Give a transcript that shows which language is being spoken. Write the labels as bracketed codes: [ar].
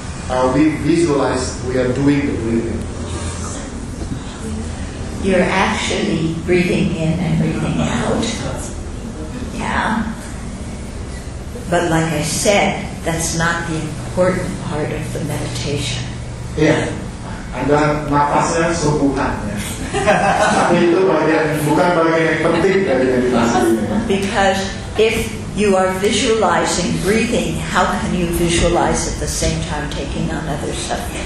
[en] Are we visualize we are doing the breathing? You're actually breathing in and breathing out. Yeah. But like I said, that's not the important part of the meditation. [id] Yeah, ada napasnya sehubungannya. Tapi itu bukan bagian yang penting dari meditasi. [en] Because if you are visualizing breathing, how can you visualize at the same time taking on other stuff?